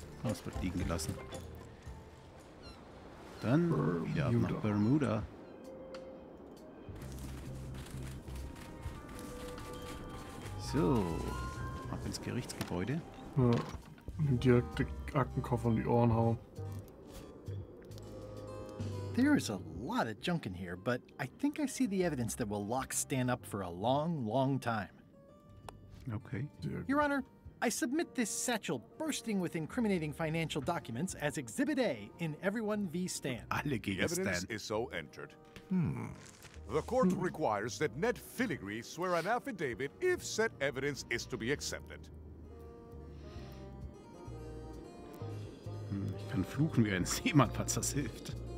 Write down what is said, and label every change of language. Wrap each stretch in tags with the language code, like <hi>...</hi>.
<de>Das wird liegen gelassen. Dann wieder nach Bermuda. So, ab ins Gerichtsgebäude. Ja, direkt den Aktenkoffer in die Ohren hauen.</de> <en>There is a lot of junk in here, but I think I see the evidence that will lock Stan up for a long, long time. Okay. Your Honor, I submit this satchel bursting with incriminating financial documents as Exhibit A in Everyone v. Stan. Alligator Stan. Evidence is so entered. Hmm. The court requires that Ned Filigree swear an affidavit if said evidence is to be accepted.</en> <de>Ich kann fluchen wie ein Seemann, falls das hilft.</de>